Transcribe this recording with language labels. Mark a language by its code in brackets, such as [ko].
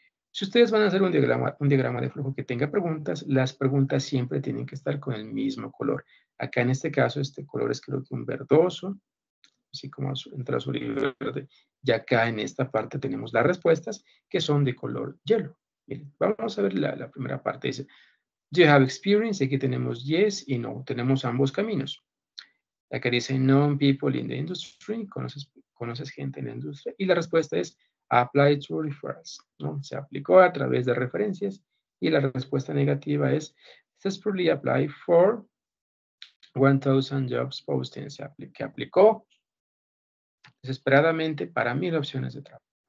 [es] Si ustedes van a hacer un diagrama de flujo que tenga preguntas, las preguntas siempre tienen que estar con el mismo color. Acá en este caso, este color es creo que un verdoso, así como entre azul y verde. Y acá en esta parte tenemos las respuestas, que son de color hielo. Bien, vamos a ver la primera parte. Dice, [en] do you have experience? [es] Aquí tenemos yes y no. Tenemos ambos caminos. Acá dice, [en] known people in the industry. [es] ¿Conoces gente en la industria? Y la respuesta es, [en] apply to referrals. [es] ¿No? Se aplicó a través de referencias. Y la respuesta negativa es, [en] successfully apply for 1,000 jobs postings. [es] Que aplicó desesperadamente para 1,000 opciones de trabajo.